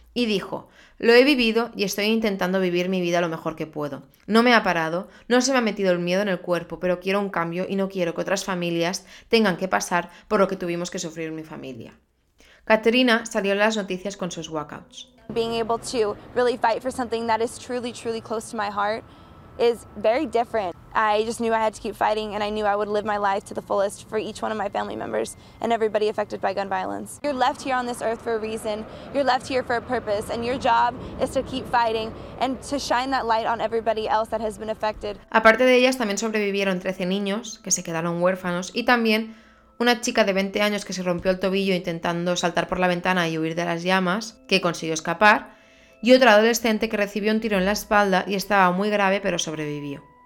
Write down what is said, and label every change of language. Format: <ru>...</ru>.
<es>Y dijo, lo he vivido y estoy intentando vivir mi vida lo mejor que puedo. No me ha parado, no se me ha metido el miedo en el cuerpo, pero quiero un cambio y no quiero que otras familias tengan que pasar por lo que tuvimos que sufrir mi familia. Katerina salió en las noticias con sus walkouts.</es> <en>Being able to really fight for something that is truly, truly close to my heart is very different. I just knew I had to keep fighting and I knew I would live my life to the fullest for each one of my family members and everybody affected by gun violence. You're left here on this earth for a reason. You're left here for a purpose and your job is to keep fighting and to shine that light on everybody else that has been affected.</en> <es>Aparte de ellas, también sobrevivieron 13 niños que se quedaron huérfanos y también una chica de 20 años que se rompió el tobillo intentando saltar por la ventana y huir de las llamas, que consiguió escapar, y otra adolescente que recibió un tiro en la espalda y estaba muy grave pero sobrevivió.</es>